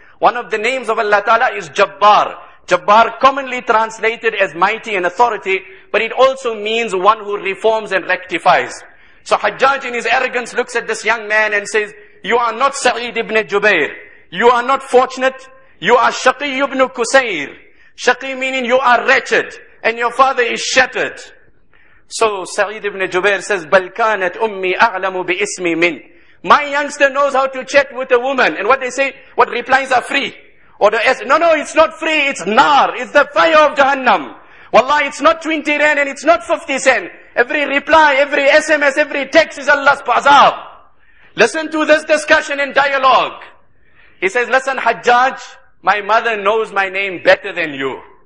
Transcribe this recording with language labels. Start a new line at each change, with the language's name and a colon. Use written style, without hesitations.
English: One of the names of Allah Ta'ala is Jabbar. Jabbar commonly translated as mighty and authority, but it also means one who reforms and rectifies. So Hajjaj in his arrogance looks at this young man and says, you are not Sa'id ibn Jubair. You are not fortunate. You are Shaqi ibn Kusayr. Shaqi meaning you are wretched. And your father is shattered. So Sa'id ibn Jubair says,
Arabic: بَلْ كَانَتْ أُمِّي أَعْلَمُ بِإِسْمِي مِنْ.
English: My youngster knows how to chat with a woman. And what they say, what replies are free. Or the S, no, no, it's not free, it's nar. It's the fire of Jahannam. Wallah, it's not 20 rand and it's not 50 cent. Every reply, every SMS, every text is Allah's azab. Listen to this discussion and dialogue. He says, listen, Hajjaj, my mother knows my name better than you.